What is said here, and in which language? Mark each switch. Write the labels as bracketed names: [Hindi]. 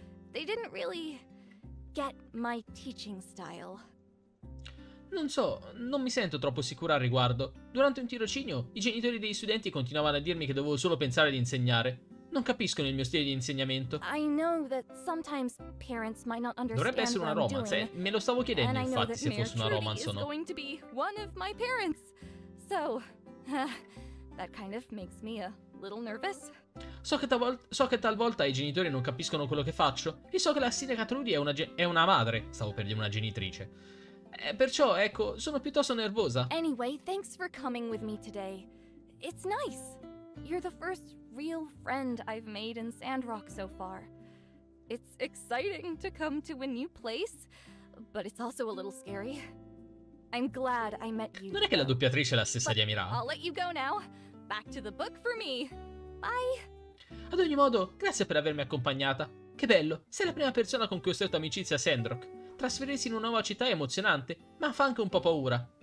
[English] They didn't really get my teaching style. [Italian] Non so, non mi sento troppo sicura al riguardo. Durante un tirocinio, i genitori degli studenti continuavano a dirmi che dovevo solo pensare di insegnare. Non capiscono il mio stile di insegnamento. [English] I know that sometimes parents might not understand. [Italian] Dovrebbe essere una romance, [English] doing, [Italian] me lo stavo chiedendo infatti se fosse una romance o no. [English] Going to be one of my parents. So, that kind of makes me a little nervous. [Italian] So che talvolta i genitori non capiscono quello che faccio. E so che la sindaca Trudy è una madre, stavo per dire una genitrice. Perciò, ecco, sono piuttosto nervosa. [English] Anyway, thanks for coming with me today. It's nice. You're the first real friend I've made in Sandrock so far. It's exciting to come to a new place, but it's also a little scary. I'm glad I met you. [Italian] Non è che la doppiatrice è la stessa di Amira. [English] I'll let you go now. Back to the book for me. Bye. [Italian] Ad ogni modo, grazie per avermi accompagnata. Che bello, sei la prima persona con cui ho stretto amicizia a Sandrock. Trasferirsi in una nuova città è emozionante, ma fa anche un po' paura.